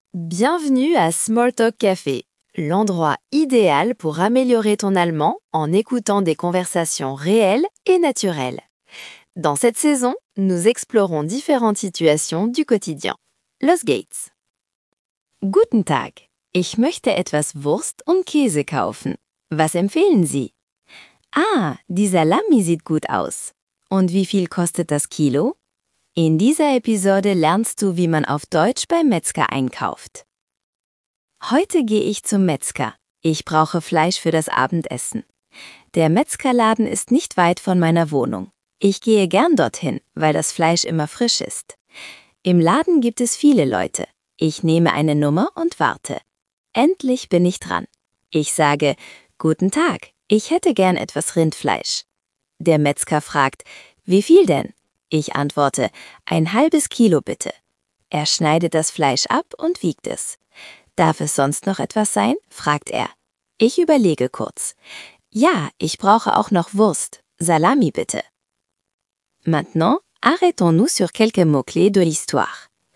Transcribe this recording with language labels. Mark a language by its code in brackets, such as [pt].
[fr] Bienvenue à Small Talk Café, l'endroit idéal pour améliorer ton allemand en écoutant des conversations réelles et naturelles. Dans cette saison, nous explorons différentes situations du quotidien. [de] Los geht's! Guten Tag! Ich möchte etwas Wurst und Käse kaufen. Was empfehlen Sie? Ah, die Salami sieht gut aus. Und wie viel kostet das Kilo? In dieser Episode lernst du, wie man auf Deutsch beim Metzger einkauft. Heute gehe ich zum Metzger. Ich brauche Fleisch für das Abendessen. Der Metzgerladen ist nicht weit von meiner Wohnung. Ich gehe gern dorthin, weil das Fleisch immer frisch ist. Im Laden gibt es viele Leute. Ich nehme eine Nummer und warte. Endlich bin ich dran. Ich sage, guten Tag, ich hätte gern etwas Rindfleisch. Der Metzger fragt, wie viel denn? Ich antworte, ein halbes Kilo bitte. Er schneidet das Fleisch ab und wiegt es. Darf es sonst noch etwas sein? Fragt er. Ich überlege kurz. Ja, ich brauche auch noch Wurst. Salami bitte. [fr] Maintenant, arrêtons-nous sur quelques mots-clés de l'histoire.